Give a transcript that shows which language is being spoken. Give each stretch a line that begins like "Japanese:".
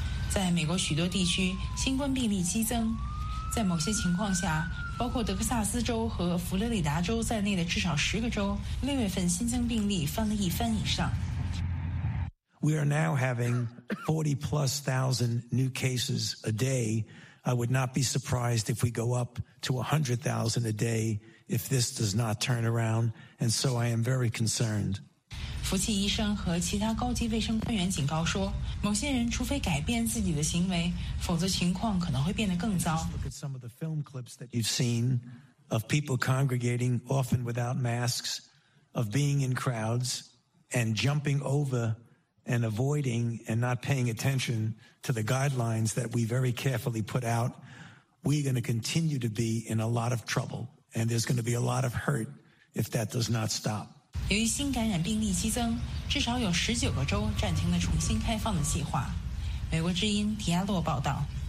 Chinese: 在美国许多地区，新冠病例激增。在某些情况下，包括德克萨斯州和佛罗里达州在内的至少10个州，六月份新增病例翻了一番以上。
English: We are now having 40,000+ new cases a day. I would not be surprised if we go up to 100,000 a day if this does not turn around. And so I am very concerned.
Chinese: 福奇医生和其他高级卫生官员警告说，某些人除非改变自己的行为，否则情况可能会变得更糟。
English: Look at some of the film clips that you've seen of people congregating, often without masks, of being in crowds and jumping over. And avoiding and not paying attention to the guidelines that we very carefully put out, we're going to continue to be in a lot of trouble, and there's going to be a lot of hurt if that does not stop.
Chinese: 由于新感染病例激增，至少有19个州暂停了重新开放的计划。美国之音迪亚洛报道。